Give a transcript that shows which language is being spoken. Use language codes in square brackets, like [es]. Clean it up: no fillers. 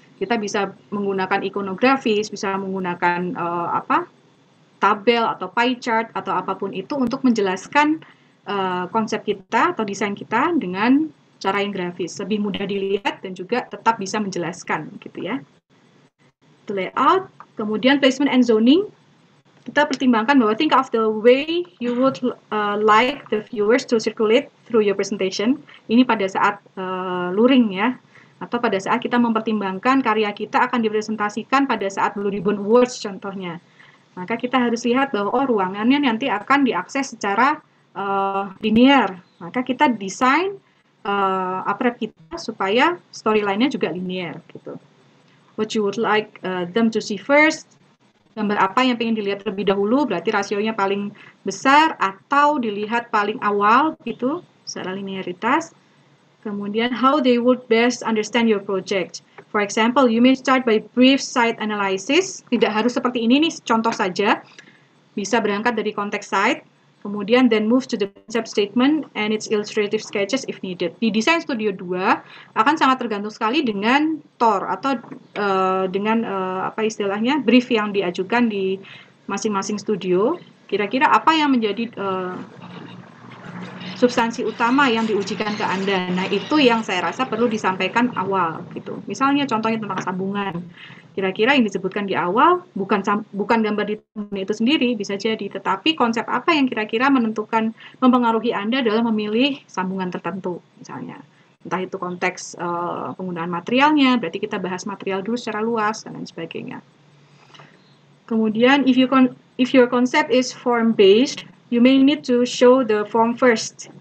[id] Kita bisa menggunakan ikonografis, bisa menggunakan tabel atau pie chart atau apapun itu untuk menjelaskan konsep kita atau desain kita dengan cara yang grafis, lebih mudah dilihat dan juga tetap bisa menjelaskan gitu ya. [en] The layout, kemudian placement and zoning. [id] Kita pertimbangkan bahwa [en] think of the way you would like the viewers to circulate through your presentation. [id] Ini pada saat luring ya, atau pada saat kita mempertimbangkan karya kita akan dipresentasikan pada saat Blue Ribbon Awards contohnya. Maka kita harus lihat bahwa ruangannya nanti akan diakses secara linear. Maka kita desain aprep kita supaya storyline-nya juga linear gitu. [en] What you would like them to see first? [id] Gambar apa yang pengen dilihat terlebih dahulu, berarti rasionya paling besar atau dilihat paling awal gitu secara linearitas. [en] Kemudian how they would best understand your project. For example, you may start by brief site analysis. [id] Tidak harus seperti ini nih, contoh saja. Bisa berangkat dari konteks site, kemudian [en] then move to the concept statement and its illustrative sketches if needed. [id] Di Design Studio 2 akan sangat tergantung sekali dengan TOR atau dengan brief yang diajukan di masing-masing studio. Kira-kira apa yang menjadi substansi utama yang diujikan ke Anda? Nah, itu yang saya rasa perlu disampaikan awal gitu. Misalnya contohnya tentang sambungan. Kira-kira yang disebutkan di awal bukan gambar di itu sendiri bisa jadi, tetapi konsep apa yang kira-kira menentukan, mempengaruhi Anda dalam memilih sambungan tertentu misalnya. Entah itu konteks penggunaan materialnya, berarti kita bahas material dulu secara luas dan lain sebagainya. [en] Kemudian if your concept is form based, you may need to show the form first.